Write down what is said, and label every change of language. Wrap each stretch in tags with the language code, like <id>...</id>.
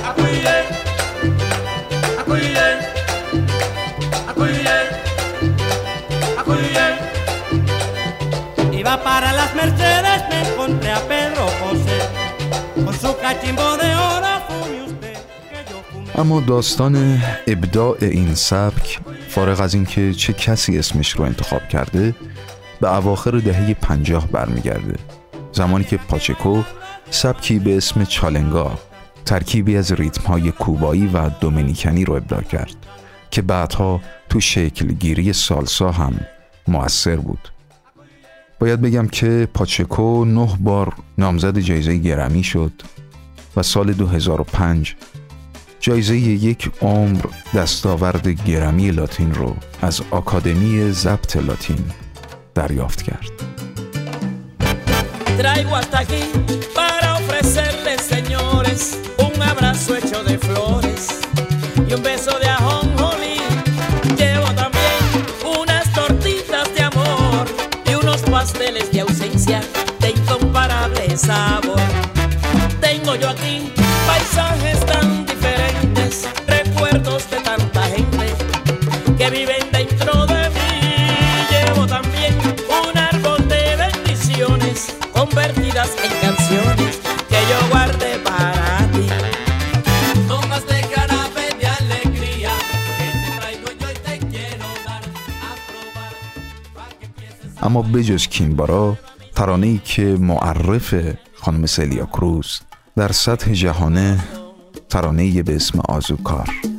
<es>Acuye, acuye, acuye, acuye. Iba para las Mercedes, me encontré a Pedro José con su cachimbo de oro.</es> <fa>اما داستان ابداع این سبک، فارغ از اینکه چه کسی اسمش رو انتخاب کرده، به اواخر دهه 50 برمیگرده، زمانی که پاچکو سبکی به اسم چالنگا، ترکیبی از ریتم‌های کوبایی و دومینیکنی رو ابداع کرد که بعدها تو شکل گیری سالسا هم مؤثر بود. باید بگم که پاچکو 9 بار نامزد جایزه گرمی شد و سال 2005 جایزه یک عمر دستاورد گرمی لاتین رو از آکادمی ضبط لاتین دریافت کرد.</fa> <es>Traigo hasta aquí para ofrecerles señores un abrazo hecho de flores y un beso de ajonjolí. Llevo también unas tortitas de amor y unos pasteles de ausencia de incomparable sabor. Tengo yo aquí paisajes tan recuerdos de tanta gente que viven dentro de mí. Llevo también un árbol de bendiciones convertidas en canciones que yo guardé para ti. Tomas de canapé de alegría que te traigo yo y te quiero dar a probar para que empieces.</es> <fa>اما بجز کیمبارا، ترانه‌ای که معرف خانم سلیا کروز در سطح جهانه، ترانه به اسم آزوکار.</fa>